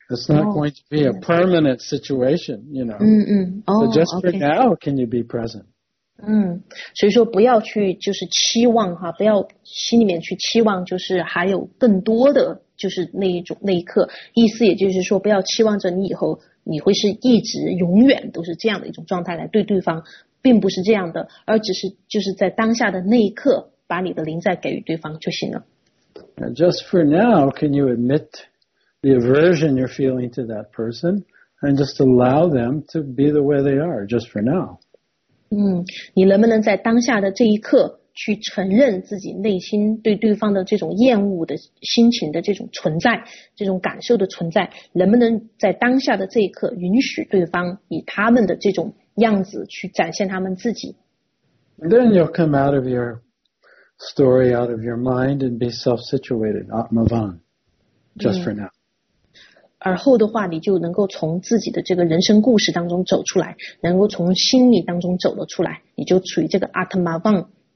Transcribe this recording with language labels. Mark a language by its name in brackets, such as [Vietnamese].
[English] It's not going to be a permanent situation, you know. So just for now, can you be present? [Chinese] 所以说不要去就是期望哈，不要心里面去期望就是还有更多的就是那一刻。意思也就是说不要期望着你以后你会是一直永远都是这样的一种状态来对对方，并不是这样的，而只是就是在当下的那一刻把你的灵在给予对方就行了。 [English] Just for now, can you admit the aversion you're feeling to that person and just allow them to be the way they are, just for now? [Chinese] 你能不能在当下的这一刻去承认自己内心对对方的这种厌恶的心情的这种存在，这种感受的存在，能不能在当下的这一刻允许对方以他们的这种样子去展现他们自己？ [English] Then you'll come out of your story, out of your mind, and be self-situated, Atmavan, just for now. [Chinese] 而后的话，你就能够从自己的这个人生故事当中走出来，能够从心理当中走了出来，你就处于这个 Atmavan。